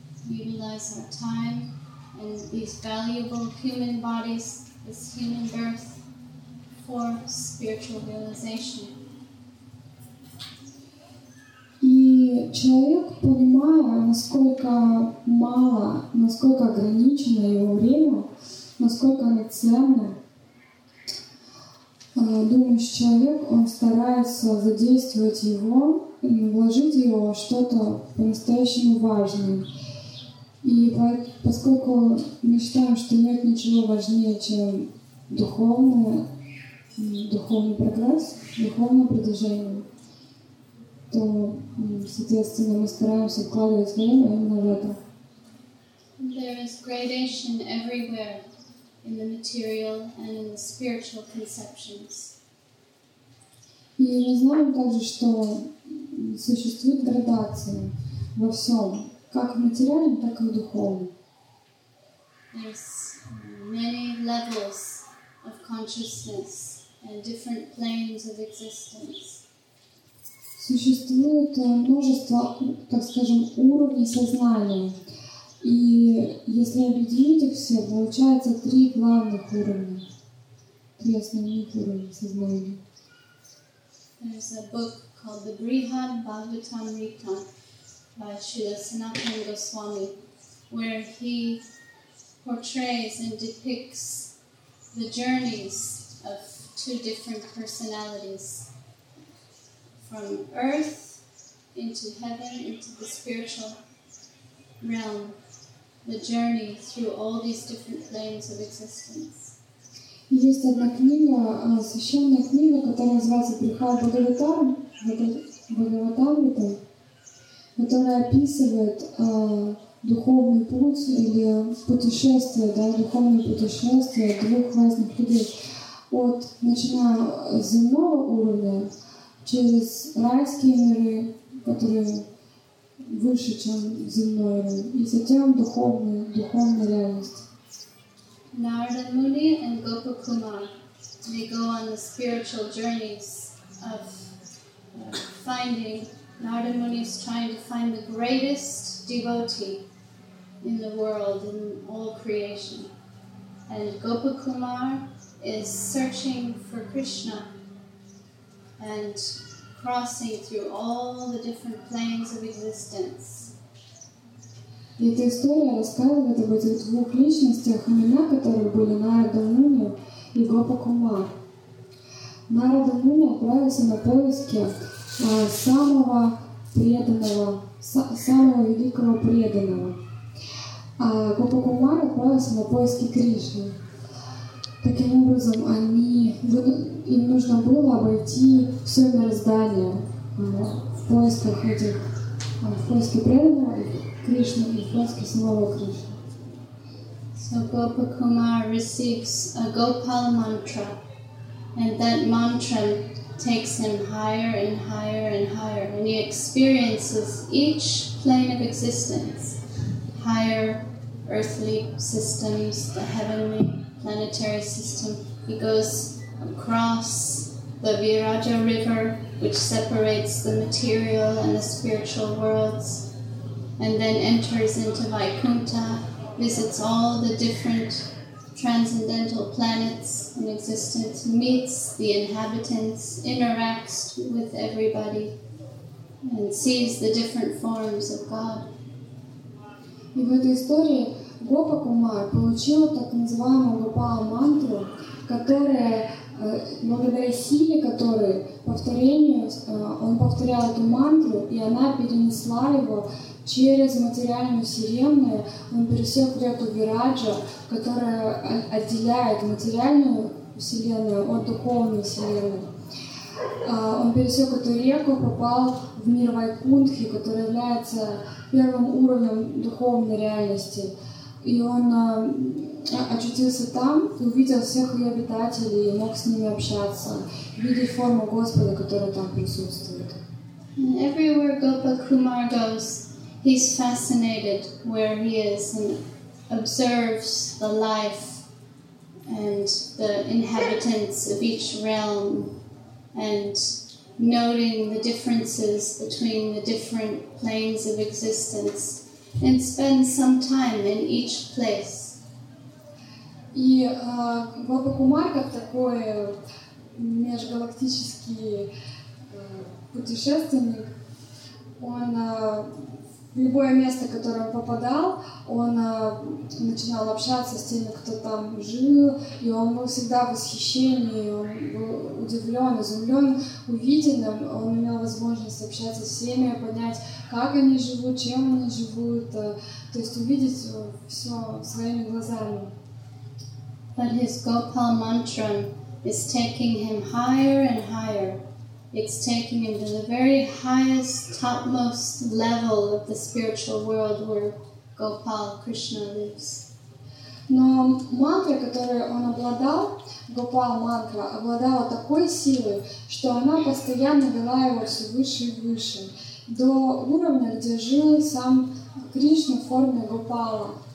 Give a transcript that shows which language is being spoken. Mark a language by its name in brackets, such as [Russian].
[English] Utilize our time and these valuable human bodies, this human birth for spiritual realization. [Russian] Человек, понимая, насколько мало, насколько ограничено его время, насколько оно ценно, думающий человек, он старается задействовать его и вложить его во что-то по-настоящему важное. И поскольку мы считаем, что нет ничего важнее, чем духовный прогресс, духовное продвижение, то, соответственно, мы стараемся вкладывать время именно в это. [English] There is gradation everywhere in the material and in the spiritual conceptions. [Russian] И мы знаем также, что существует градация во всем, как в материальном, так и в духовном. [English] There's many levels of consciousness different planes of existence. [Russian] Существует множество, так скажем, уровней сознания. И если объединить их все, получается три главных уровня, три основных уровня сознания. [English] There's a book called The Brihad Bhagavatamrita by Srila Sanatana Goswami, where he portrays and depicts the journeys of two different personalities from earth into heaven, into the spiritual realm, the journey through all these different planes of existence. [Russian] Есть одна книга, священная книга, которая называется «Брихад Бхагаватамрита», которая описывает духовный путь или путешествие, да, духовное путешествие двух разных людей. От, начиная с земного уровня, через райские миры, которые выше, чем земной уровень, и затем духовная реальность. [English] Narada Muni and Gopakumar, they go on the spiritual journeys of finding. Narada Muni is trying to find the greatest devotee in the world, in all creation. And Gopakumar is searching for Krishna and crossing through all the different planes of existence. [Russian] Эта история рассказывает об этих двух личностях, имена которых были Нарада Муни и Гопакумар. Нарада Муни отправился на поиски самого преданного, самого великого преданного. А Гопакумар отправился на поиски Кришны. Таким образом, им нужно было обойти все мироздание в поисках этих, в поиске преданного. [English] So Gopakumar receives a Gopala mantra, and that mantra takes him higher and higher and higher, and he experiences each plane of existence, higher earthly systems, the heavenly planetary system. He goes across the Viraja River, which separates the material and the spiritual worlds, and then enters into Vaikuntha, visits all the different transcendental planets in existence, meets the inhabitants, interacts with everybody, and sees the different forms of God. [Russian] И в этой истории Гопакумар получил так называемую Гопала мантру, которая, благодаря силе которой, повторению, он повторял эту мантру, и она перенесла его через материальную вселенную. Он пересек реку Вираджа, которая отделяет материальную вселенную от духовной вселенной. Он пересек эту реку, попал в мир Вайкунтхи, который является первым уровнем духовной реальности. И он очутился там, увидел всех ее обитателей и мог с ними общаться, видеть форму Господа, которая там присутствует. [English] Everywhere Gopakumar goes, he's fascinated where he is and observes the life and the inhabitants of each realm, and noting the differences between the different planes of existence, and spends some time in each place. [Russian] И Гопакумар, как такой межгалактический путешественник, он в любое место, в которое он попадал, он начинал общаться с теми, кто там жил, и он был всегда в восхищении, он был удивлен, изумлен увиденным, он имел возможность общаться с всеми, понять, как они живут, чем они живут, то есть увидеть все своими глазами. [English] But his Gopal mantra is taking him higher and higher. It's taking him to the very highest, topmost level of the spiritual world where Gopal Krishna lives. [Russian] Но мантра, которой он обладал, Гопал мантра, обладала такой силой, что она постоянно вела его все выше и выше, до уровня, где жил сам Кришна в форме Гопала.